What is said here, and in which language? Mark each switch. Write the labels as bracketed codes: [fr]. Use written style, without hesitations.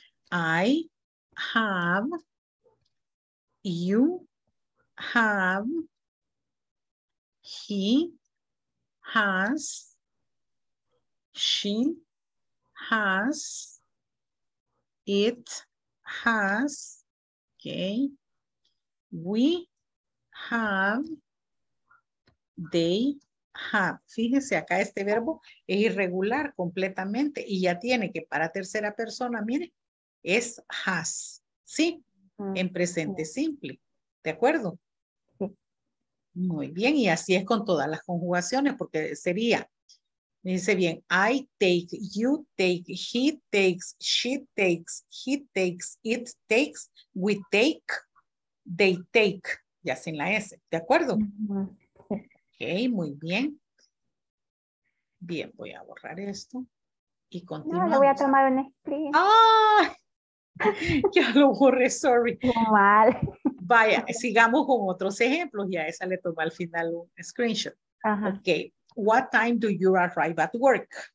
[en] I have, you have, he has, she has, it has, okay, we have, they have. [es] Fíjense, acá este verbo es irregular completamente y ya tiene que para tercera persona, mire, es has, ¿sí? En presente simple, ¿de acuerdo? Muy bien, y así es con todas las conjugaciones, porque sería, dice bien, [en] I take, you take, he takes, she takes, he takes, it takes, we take, they take, [es] ya sin la S, ¿de acuerdo? Ok, muy bien. Bien, voy a borrar esto y continuamos. No, lo voy a tomar en screen. ¡Ah! Ya lo borré, sorry. Mal. Vaya, sigamos con otros ejemplos y a esa le tomo al final un screenshot. Ajá. [en] Ok, what time do you arrive at work?